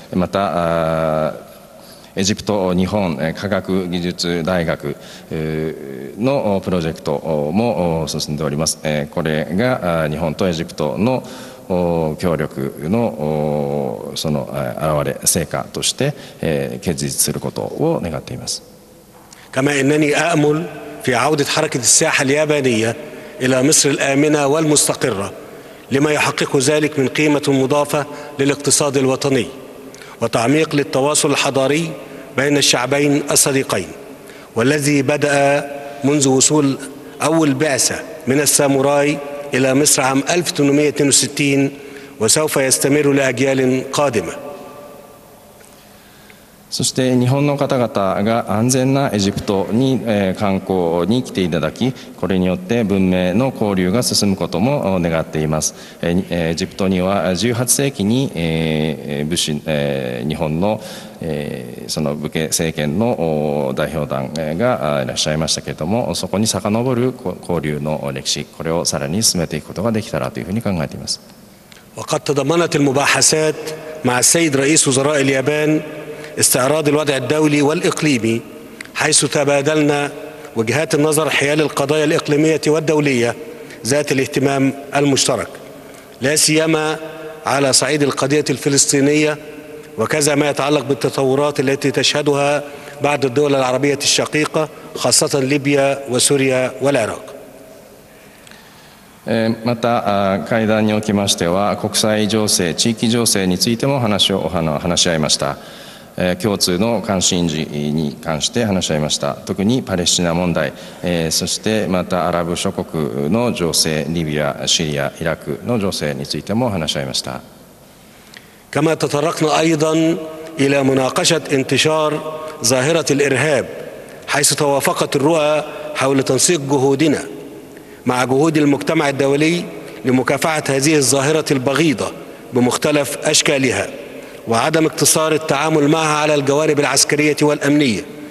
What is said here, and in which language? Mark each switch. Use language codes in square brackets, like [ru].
[ja] また、エジプト日本科学技術大学のプロジェクトも進んでおります。これが日本とエジプトの協力のその表れ、成果として結実することを願っています。 [ar] كما أنني آمل في عودة حركة السياحة اليابانية إلى مصر الآمنة والمستقرة لما يحقق ذلك من قيمة مضافة للاقتصاد الوطني وتعميق للتواصل الحضاري بين الشعبين الصديقين والذي بدأ منذ وصول أول بعثة من الساموراي إلى مصر عام 1862 وسوف يستمر لأجيال قادمة. [ja] そして日本の方々が安全なエジプトに観光に来ていただき、これによって文明の交流が進むことも願っています。エジプトには18世紀に武士、日本のその武家政権の代表団がいらっしゃいましたけれども、そこに遡る交流の歴史、これをさらに進めていくことができたらというふうに考えています。 [ar] وقد تضمنت المباحثات مع السيد رئيس وزراء الياباناستعراض الوضع الدولي والإقليمي حيث تبادلنا وجهات النظر حيال القضايا الإقليمية والدولية ذات الاهتمام المشترك لا سيما على صعيد القضية الفلسطينية وكذا ما يتعلق بالتطورات التي تشهدها بعض الدول العربية الشقيقة خاصة ليبيا وسوريا والعراق. [ja] また会談におきましては、国際情勢、地域情勢についても話し合いました。共通の関心事に関して話し合いました。特にパレスチナ問題、そしてまたアラブ諸国の情勢、リビア、シリア、イラクの情勢についても話し合いました。 [ar] كما تطرقنا أيضا إلى مناقشة انتشار ظاهرة الإرهاب حيث توافقت الرؤى حول تنسيق جهودنا مع جهود المجتمع الدولي لمكافحة هذه الظاهرة البغيضة بمختلف أشكالها وعدم اقتصار التعامل معها على الجوانب العسكرية والأمنية